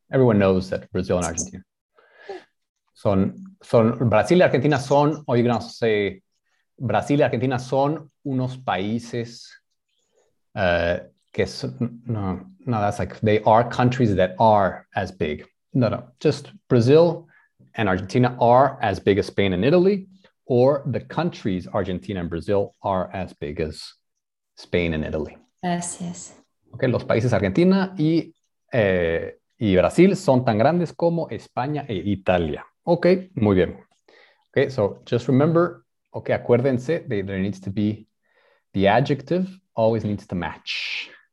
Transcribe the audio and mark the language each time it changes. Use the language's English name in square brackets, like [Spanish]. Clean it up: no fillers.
[English] Everyone knows that Brazil and Argentina. [Spanish] Son, son, Brasil y Argentina son, [English] or you can also say, [Spanish] Brasil y Argentina son unos países que son, no, no, [English] that's like, they are countries that are as big. No, no, just Brazil and Argentina are as big as Spain and Italy, or the countries Argentina and Brazil are as big as Spain and Italy. Yes, yes. [Spanish] Okay, los países Argentina y, y Brasil son tan grandes como España e Italia. Okay, muy bien. [English] Okay, so just remember, okay, [Spanish] acuérdense, [English] they, there needs to be, the adjective always needs to match.